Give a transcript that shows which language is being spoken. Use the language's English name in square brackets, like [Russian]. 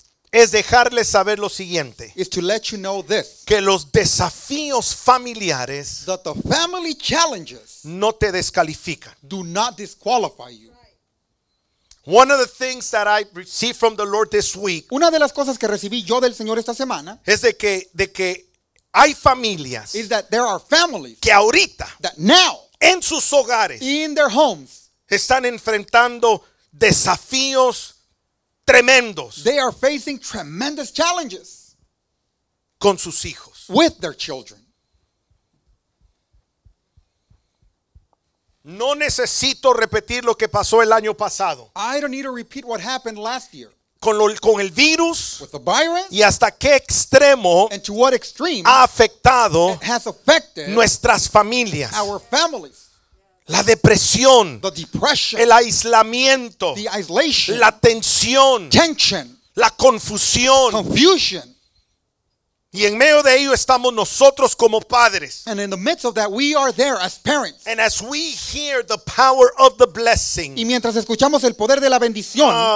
[Spanish] Es dejarles saber lo siguiente. [English] Is to let you know this. [Spanish] Que los desafíos familiares. [English] That the family challenges. [Spanish] No te descalifican. [English] Do not disqualify you. One of the things that I received from the Lord this week. [Spanish] Una de las cosas que recibí yo del Señor esta semana. Es de que hay familias. [English] Is that there are families. [Spanish] Que ahorita. [English] That now. [Spanish] En sus hogares. [English] In their homes. [Spanish] Están enfrentando desafíos tremendos. [English] They are facing tremendous challenges. [Spanish] Con sus hijos. [English] With their children. [Spanish] No necesito repetir lo que pasó el año pasado. [English] I don't need to repeat what happened last year. [Spanish] Con el virus. [English] With the virus. [Spanish] Y hasta qué extremo. [English] And to what extreme. [Spanish] Ha afectado. [English] Has affected. [Spanish] Nuestras familias. [English] Our families. [Spanish] La depresión. [English] The depression. [Spanish] El aislamiento. [English] The isolation. [Spanish] La tensión. [English] Tension. [Spanish] La confusión. [English] Confusion. [Spanish] Y en medio de ello estamos nosotros como padres. [English] And in the midst of that, we are there as parents. And as we hear the power of the blessing. [Spanish] Y mientras escuchamos el poder de la bendición.